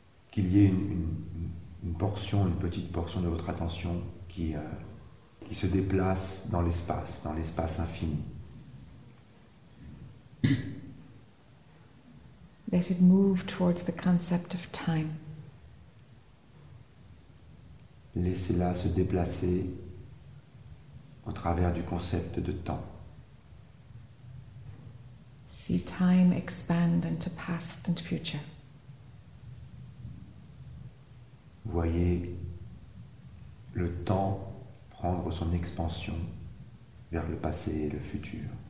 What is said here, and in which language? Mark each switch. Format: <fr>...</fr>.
<fr>qu'il y ait une portion, une petite portion de votre attention qui se déplace dans l'espace infini.</fr> <en>Let it move towards the concept of time.</en> <fr>Laissez-la se déplacer au travers du concept de temps.</fr> <en>See time expand into past and future.</en> <fr>Voyez le temps prendre son expansion vers le passé et le futur.</fr>